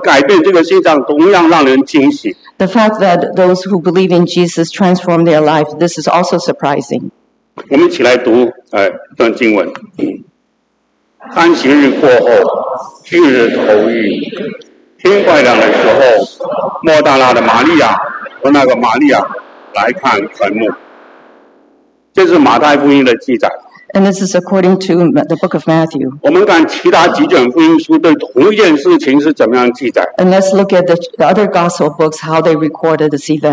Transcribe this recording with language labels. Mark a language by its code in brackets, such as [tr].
[zh] 信靠耶稣基督的人生命有没有了改变，这个现象同样让人惊喜。 [en] The fact that those who believe in Jesus transform their life, this is also surprising. [zh] 我们一起来读, 一段经文。安息日过后，七日头一，天快亮的时候，莫大拉的玛利亚和那个玛利亚来看坟墓。这是马太福音的记载。 [en] And this is according to the book of Matthew. [zh] 我们看其他几卷福音书对同一件事情是怎么样记载。 [en] And let's look at the other gospel books how they recorded this event.